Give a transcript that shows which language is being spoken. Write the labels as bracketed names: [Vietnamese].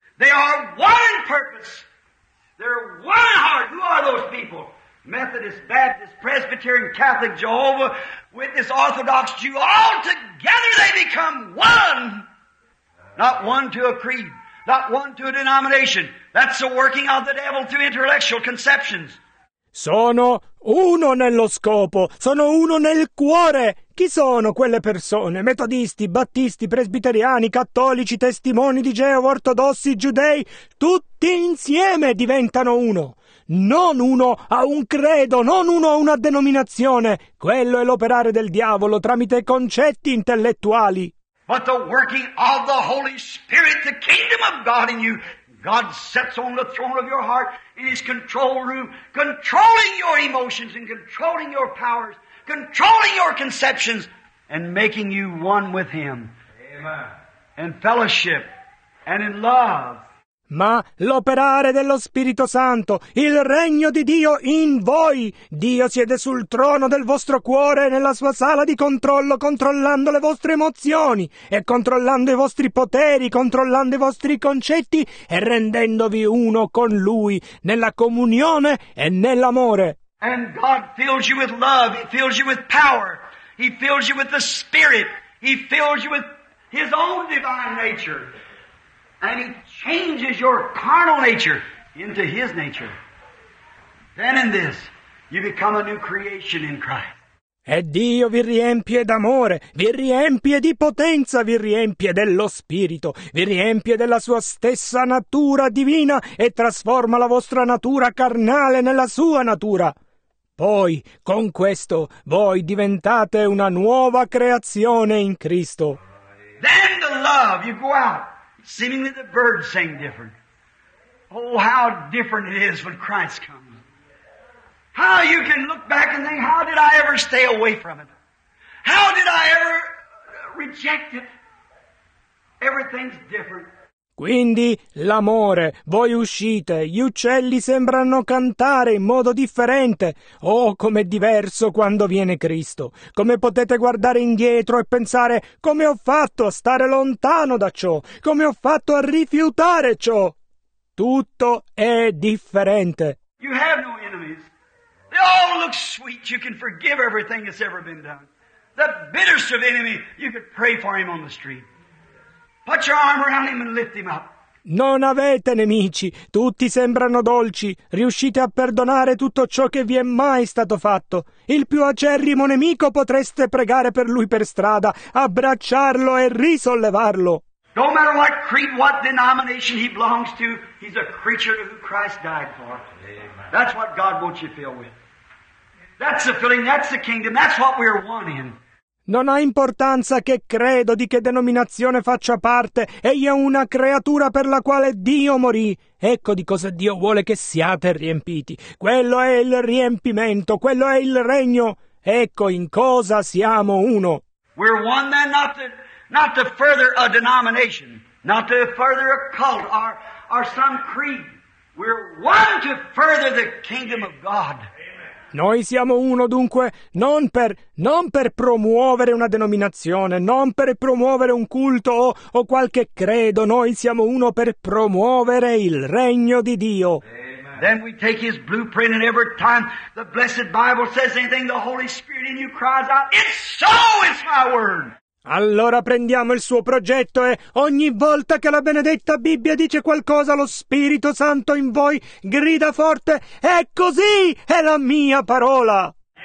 [English] They are one in purpose. They're one heart. Who are those people? Methodist, Baptist, Presbyterian, Catholic, Jehovah, Witness, Orthodox, Jew. All together they become one. Not one to a creed. Not one to a denomination. That's the working of the devil through intellectual conceptions. [Italian] Sono uno nello scopo. Sono uno nel cuore. Chi sono quelle persone? Metodisti, battisti, presbiteriani, cattolici, testimoni di Geova, ortodossi, giudei, tutti insieme diventano uno. Non uno a un credo, non uno a una denominazione. Quello è l'operare del diavolo tramite concetti intellettuali. [English] But the working of the Holy Spirit, the kingdom of God in you, God sets on the throne of your heart in His control room, controlling your emotions and controlling your powers. Controlling your conceptions and making you one with Him. Amen. And fellowship and in love. [Italian] Ma l'operare dello Spirito Santo, il regno di Dio in voi. Dio siede sul trono del vostro cuore, nella sua sala di controllo, controllando le vostre emozioni e controllando i vostri poteri, controllando i vostri concetti e rendendovi uno con Lui nella comunione e nell'amore. [English] And God fills you with love, He fills you with power, He fills you with the Spirit, He fills you with His own divine nature, and He changes your carnal nature into His nature. Then in this, you become a new creation in Christ. [Italian] E Dio vi riempie d'amore, vi riempie di potenza, vi riempie dello Spirito, vi riempie della sua stessa natura divina e trasforma la vostra natura carnale nella sua natura. Poi, con questo, voi diventate una nuova creazione in Cristo. [English] Then the love, you go out, seemingly the birds sing different. Oh, how different it is when Christ comes. How you can look back and think, how did I ever stay away from it? How did I ever reject it? Everything's different. [Italian] Quindi l'amore, voi uscite, gli uccelli sembrano cantare in modo differente. Oh, com'è diverso quando viene Cristo. Come potete guardare indietro e pensare, come ho fatto a stare lontano da ciò? Come ho fatto a rifiutare ciò? Tutto è differente. [English] You have no enemies. They all look sweet. You can forgive everything that's ever been done. The bitterest of enemy, you could pray for him on the street. Put your arm around him and lift him up. [Italian] Non avete nemici, tutti sembrano dolci, riuscite a perdonare tutto ciò che vi è mai stato fatto. Il più acerrimo nemico potreste pregare per lui per strada, abbracciarlo e risollevarlo. [English] No matter what creed, what denomination he belongs to, he's a creature who Christ died for. Amen. That's what God wants you to fill with. That's the filling, that's the kingdom, that's what we're one in. [Italian] Non ha importanza che credo, di che denominazione faccia parte. Egli è una creatura per la quale Dio morì. Ecco di cosa Dio vuole che siate riempiti. Quello è il riempimento, quello è il regno. Ecco in cosa siamo uno. [English] We're one then, not to further a denomination, not to further a cult or some creed. We're one to further the kingdom of God. [Italian] Noi siamo uno dunque non per promuovere una denominazione, non per promuovere un culto o qualche credo. Noi siamo uno per promuovere il regno di Dio. [English] Amen. Then we take his blueprint and every time the blessed Bible says anything, the Holy Spirit in you cries out, it's so, it's my word. [Italian] Allora prendiamo il suo progetto e ogni volta che la benedetta Bibbia dice qualcosa, lo Spirito Santo in voi grida forte, è così, è la mia parola.